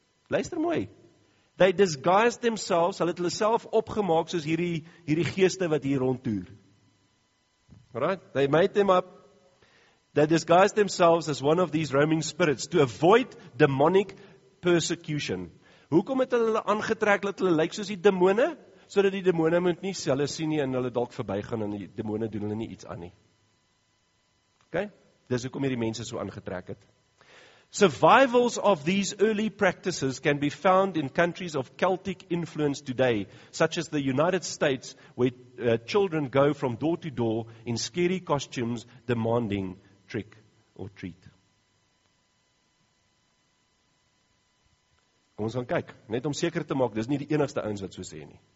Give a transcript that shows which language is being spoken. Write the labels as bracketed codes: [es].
[af] Luister mooi. [en] They disguised themselves, [af] hulle het hulle self opgemaak soos hierdie geeste wat hier rondtoer. [en] Right? They made them up. They disguised themselves as one of these roaming spirits to avoid demonic persecution. [af] Hoekom het hulle aangetrek dat hulle lyk soos die demone? Sodat die demone moet nie hulle sien nie en hulle dalk verbygaan en die demone doen hulle nie iets aan nie. Okay? Dis hoekom hierdie mense so aangetrek het. [en] Survivals of these early practices can be found in countries of Celtic influence today, such as the United States, where children go from door to door in scary costumes demanding trick or treat. [af] Kom ons gaan kyk, net om seker te maak, dis nie die enigste ouens wat so sê nie.